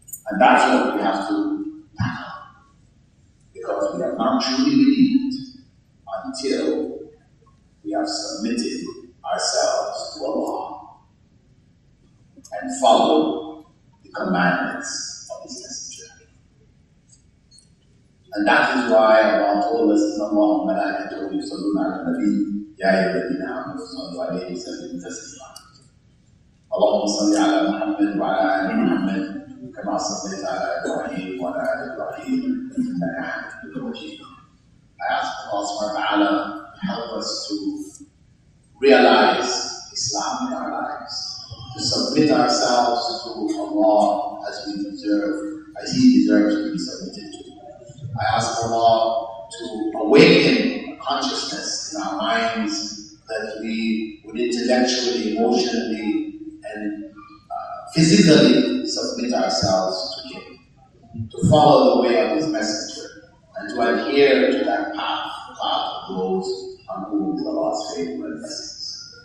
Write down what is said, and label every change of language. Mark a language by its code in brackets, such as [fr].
[en] And that's what we have to tackle. Because we are not truly believed until we have submitted ourselves to Allah and follow the commandments of His Messenger. And that is why Allah told us in the Quran, [ar] مَلَائِكَةُ يُصَلُّونَ عَلَى النَّبِيِّ يَا أَيُّهَا الَّذِينَ آمَنُوا صَلُّوا عَلَيْهِ وَسَلِّمُوا تَسْلِيمًا. اللهم صل على محمد وعلى آل محمد كما صليت على إبراهيم وعلى آل إبراهيم إنك حميد مجيد. [en] I ask Allah subhanahu wa ta'ala to help us to realize Islam in our lives, to submit ourselves to Allah as we deserve, as He deserves to be submitted to. I ask Allah to awaken a consciousness in our minds that we would intellectually, emotionally, and physically submit ourselves to Him, to follow the way of His Messenger, and to adhere to that path, the path of those on whom is Allah's favor and blessings.